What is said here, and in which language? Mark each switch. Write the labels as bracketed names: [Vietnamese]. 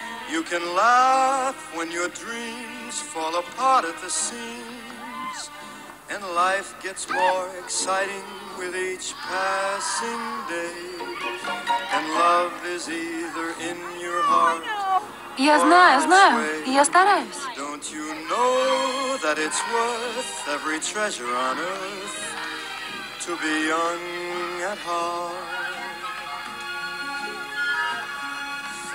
[English] You can laugh when your dreams fall apart at the seams, and life gets more exciting with each passing day, and love is either in your heart or its way. [Russian] Я знаю, знаю, я стараюсь. [English] Don't you know that it's worth every treasure on earth to be young at heart?